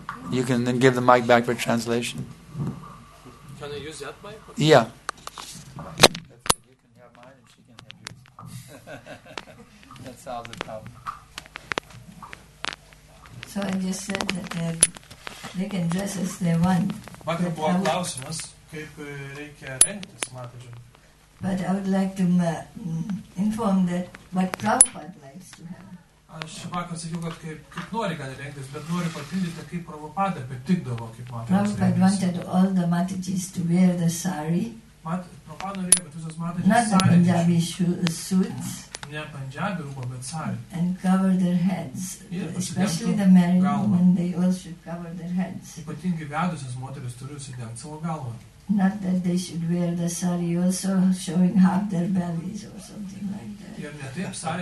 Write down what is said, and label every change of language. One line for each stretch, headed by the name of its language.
English: You can then give the mic back for translation. Can I use that mic? Or? Yeah. You can have mine and she can have yours. That solves the problem. So I just said that they can dress as they want. But the
Lithuanian: buvo klausimas, kaip reikia rengtis, matai.
English: But I would like to inform that what Prabhupada likes to have.
Lithuanian: Aš vakar sakiau, kad kaip nori gali rengtis, bet nori papildyti, kaip Prabhupada patikdavo, kaip matai.
English: Prabhupada wanted all the matijis to wear the sari.
Lithuanian: Prabhupada norėjo, kad visos
English: matijis sari. Not Punjabi suits.
Lithuanian: Ne Punjabi rūbą, bet sari.
English: And cover their heads. Especially the married women, they all should cover their heads.
Lithuanian: Ypatingai vedusios moteris turi užsidengti savo galvą.
English: Not that they should wear the sari also showing half their bellies or something like that.